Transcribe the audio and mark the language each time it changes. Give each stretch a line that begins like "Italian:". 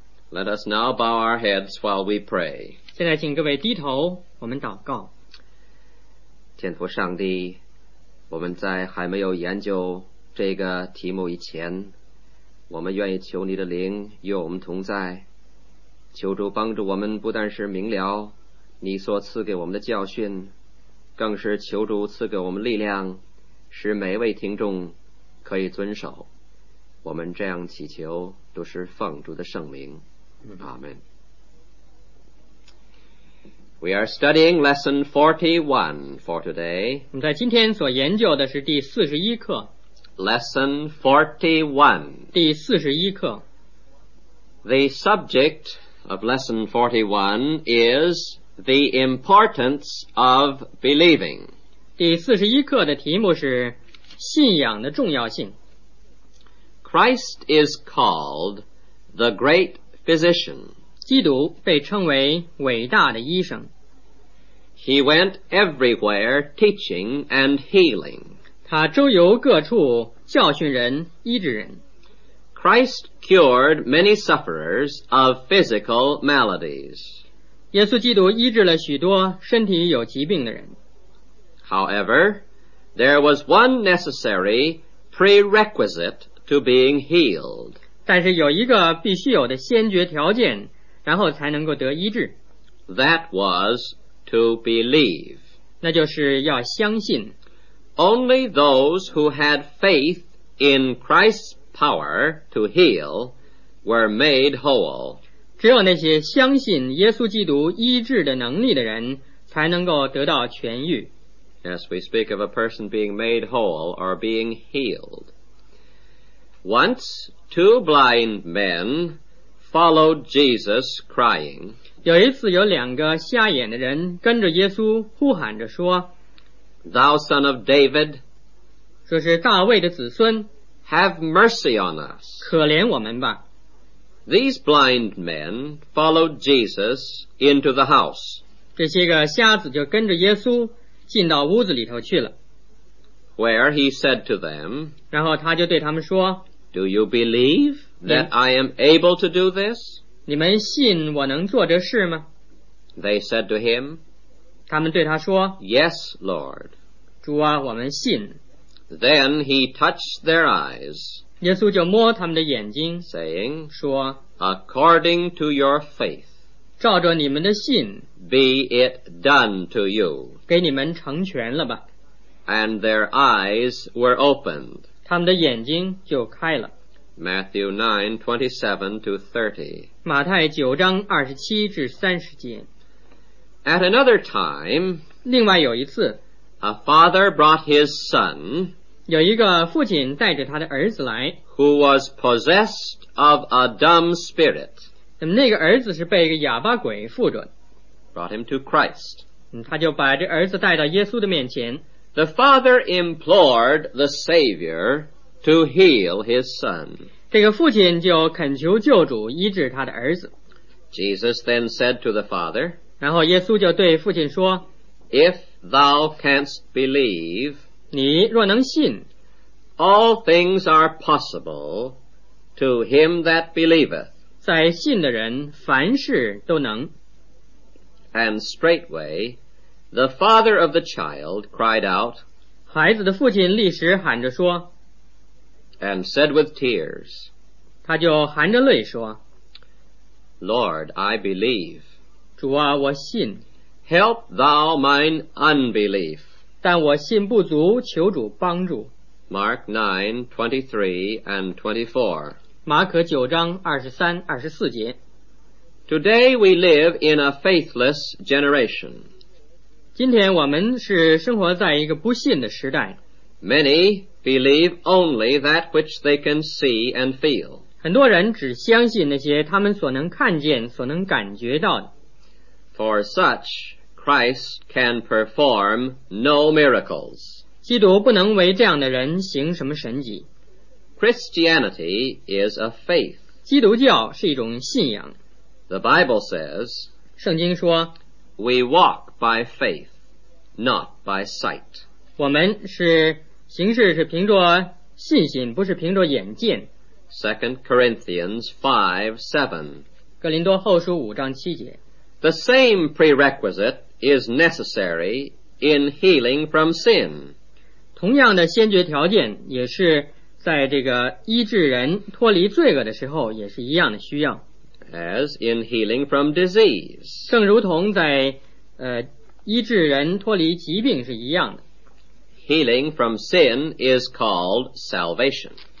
English: Let us now bow our heads while we pray.
Chinese: 现在请各位低头，我们祷告。天父上帝，我们在还没有研究这个题目以前，我们愿意求你的灵与我们同在，求主帮助我们，不但是明了你所赐给我们的教训，更是求主赐给我们力量，使每位听众可以遵守。我们这样祈求，都是奉主的圣名，阿门。
English: We are studying lesson 41 for today.
Chinese: 我们在今天所研究的是第41课。
English: Lesson 41.
Chinese: 第41课。
English: The subject of lesson 41 is the importance of believing.
Chinese: 第41课的题目是信仰的重要性。
English: Christ is called the great physician.
Chinese: 基督被称为伟大的医生。
English: He went everywhere teaching and healing.
Chinese: 他周游各处教训人，医治人。
English: Christ cured many sufferers of physical maladies.
Chinese: 耶稣基督医治了许多身体有疾病的人。
English: However, there was one necessary prerequisite to being healed.
Chinese: 但是有一个必须有的先决条件，然后才能够得医治。
English: That was to believe.
Chinese: 那就是要相信。
English: Only those who had faith in Christ's power to heal were made whole.
Chinese: 只有那些相信耶稣基督医治的能力的人才能够得到痊愈。
English: Yes, we speak of a person being made whole or being healed. Once two blind men followed Jesus crying.
Chinese: 有一次有两个瞎眼的人跟着耶稣呼喊着说，
English: Thou son of David,
Chinese: 说是大卫的子孙，
English: Have mercy on us,
Chinese: 可怜我们吧。
English: These blind men followed Jesus into the house.
Chinese: 这些个瞎子就跟着耶稣进到屋子里头去了。
English: Where he said to them,
Chinese: 然后他就对他们说，
English: Do you believe that I am able to do this?
Chinese: 你们信我能做这事吗？
English: They said to him,
Chinese: 他们对他说，
English: Yes, Lord.
Chinese: 主啊，我们信。
English: Then he touched their eyes,
Chinese: 耶稣就摸他们的眼睛，
English: saying,
Chinese: 说，
English: According to your faith,
Chinese: 照着你们的信，
English: Be it done to you.
Chinese: 给你们成全了吧。
English: And their eyes were opened,
Chinese: 他们的眼睛就开了。
English: Matthew 9:27-30.
Chinese: 马太九章二十七至三十节。
English: At another time,
Chinese: 另外有一次，
English: a father brought his son,
Chinese: 有一个父亲带着他的儿子来，
English: who was possessed of a dumb spirit.
Chinese: 那个儿子是被一个哑巴鬼附着的。
English: Brought him to Christ.
Chinese: 他就把这儿子带到耶稣的面前。
English: The father implored the Savior to heal his son.
Chinese: 这个父亲就恳求救主医治他的儿子。
English: Jesus then said to the father,
Chinese: 然后耶稣就对父亲说，
English: If thou canst believe,
Chinese: 你若能信，
English: All things are possible to him that believeth,
Chinese: 在信的人凡事都能。
English: And straightway the father of the child cried out,
Chinese: 孩子的父亲立时喊着说，
English: And said with tears,
Chinese: 他就含着泪说，
English: Lord, I believe,
Chinese: 主啊，我信。
English: Help thou mine unbelief,
Chinese: 但我信不足，求主帮助。
English: Mark 9:23 and 24,
Chinese: 马可九章二十三、二十四节。
English: Today we live in a faithless generation.
Chinese: 今天我们是生活在一个不信的时代。
English: Many believe only that which they can see and feel.
Chinese: 很多人只相信那些他们所能看见、所能感觉到的。
English: For such, Christ can perform no miracles.
Chinese: 基督不能为这样的人行什么神迹。
English: Christianity is a faith.
Chinese: 基督教是一种信仰。
English: The Bible says,
Chinese: 圣经说,
English: we walk by faith, not by sight.
Chinese: 我们是行事是凭着信心，不是凭着眼见。
English: 2 Corinthians 5:7,
Chinese: 哥林多后书五章七节。
English: The same prerequisite is necessary in healing from sin.
Chinese: 同样的先决条件也是在这个医治人脱离罪恶的时候也是一样的需要。
English: As in healing from disease.
Chinese: 正如同在医治人脱离疾病是一样的。
English: Healing from sin is called salvation.